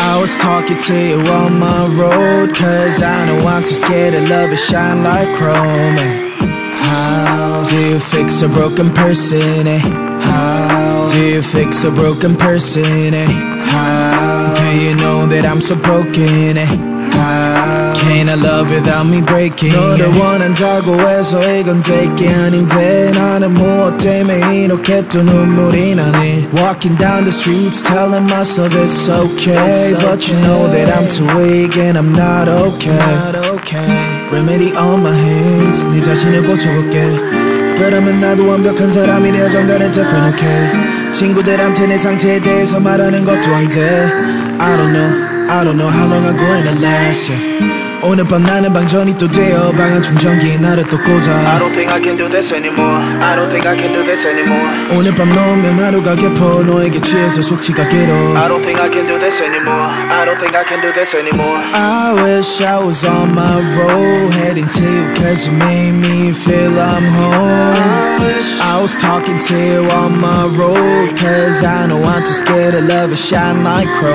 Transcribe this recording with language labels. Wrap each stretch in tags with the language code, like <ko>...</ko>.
<en>I was talking to you on my road, cause I know I'm too scared of love and shine like chrome. How do you fix a broken person, eh? How do you fix a broken person, eh? How do you know that I'm so broken, eh? How can I love without me breaking?</en> <ko>너를 원한다고 해서 이건 되게 아닌데 나는 무엇 때문에 이렇게 또 눈물이 나네.</ko> <en>Walking down the streets telling myself it's okay, it's but okay. You know that I'm too weak and I'm not okay. Not okay. Remedy on my hands,</en> <ko>네 자신을 고쳐볼게. 그러면 나도 완벽한 사람이 되어 정단을 덮어 놓게. 친구들한테 내 상태에 대해서 말하는 것도 안 돼.</ko> <en>I don't know how long I'm going to last, yeah.</en> <ko>오늘 밤 나는 방전이 또 되어 방안 충전기 나를 또 꽂아.</ko> <en>I don't think I can do this anymore. I don't think I can do this anymore.</en> <ko>오늘 밤 넘는 하루가 깊어 너에게 취해서 숙취가 길어.</ko> <en>I don't think I can do this anymore. I don't think I can do this anymore. I wish I was on my road, heading to you cause you made me feel I'm home. I wish close, talking to you on my road. Cause I know I'm too scared of love, it shine like chrome.</en>